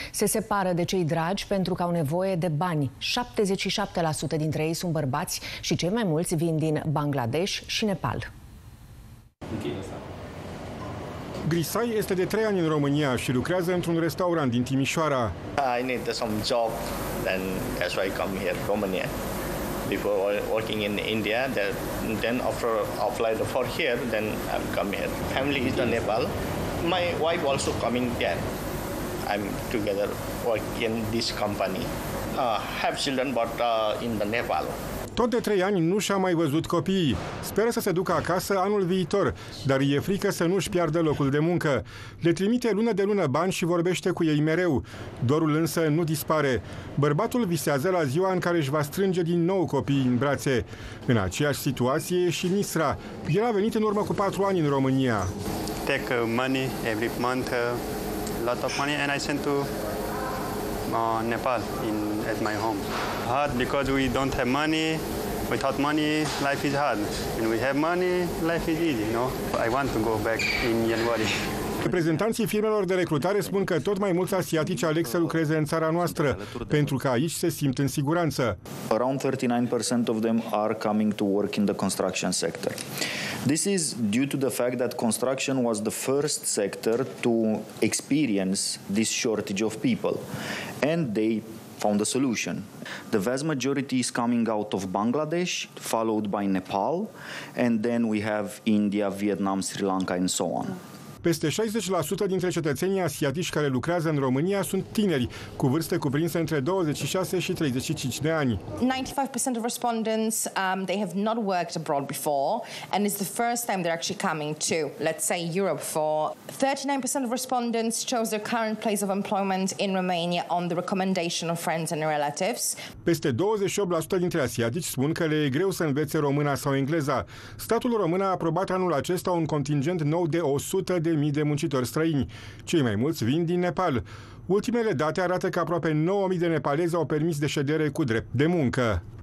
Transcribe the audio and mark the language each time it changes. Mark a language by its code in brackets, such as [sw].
[ro] Se separă de cei dragi pentru că au nevoie de bani. 77% dintre ei sunt bărbați și cei mai mulți vin din Bangladesh și Nepal. Grisai este de 3 ani în România și lucrează într-un restaurant din Timișoara. [en] I need some job, then that's why I come here Romania. Before working in India, then after applied for here, then I've come here. Family is in Nepal. My wife also coming there. I'm together work in this company. Have children but in the Nepal. [ro] Tot de 3 ani nu și-a mai văzut copiii. Speră să se ducă acasă anul viitor, dar e frică să nu-și piardă locul de muncă. Le trimite lună de lună bani și vorbește cu ei mereu. Dorul însă nu dispare. Bărbatul visează la ziua în care își va strânge din nou copiii în brațe. În aceeași situație e și Nisra. El a venit în urmă cu 4 ani în România. [en] Take money every month, lot of money, and I sent to Nepal at my home. Hard because we don't have money. Without money, life is hard. When we have money, life is easy, you know? I want to go back in January. [ro] Reprezentanții firmelor de recrutare spun că tot mai mulți asiatici aleg să lucreze în țara noastră, pentru că aici se simt în siguranță. [en] Around 39% of them are coming to work in the construction sector. This is due to the fact that construction was the first sector to experience this shortage of people. And they found a solution. The vast majority is coming out of Bangladesh, followed by Nepal, and then we have India, Vietnam, Sri Lanka and so on. [ro] Peste 60% dintre cetățenii asiatici care lucrează în România sunt tineri, cu vârste cuprinse între 26 și 35 de ani. [en] 95% of respondents they have not worked abroad before and it's the first time they're actually coming to, let's say, Europe for. 39% of respondents chose their current place of employment in Romania on the recommendation of friends and relatives. [ro] Peste 28% dintre asiatici spun că le e greu să învețe româna sau engleza. Statul român a aprobat anul acesta un contingent nou de 100 de mii de muncitori străini. Cei mai mulți vin din Nepal. Ultimele date arată că aproape 9.000 de nepalezi au permis de ședere cu drept de muncă.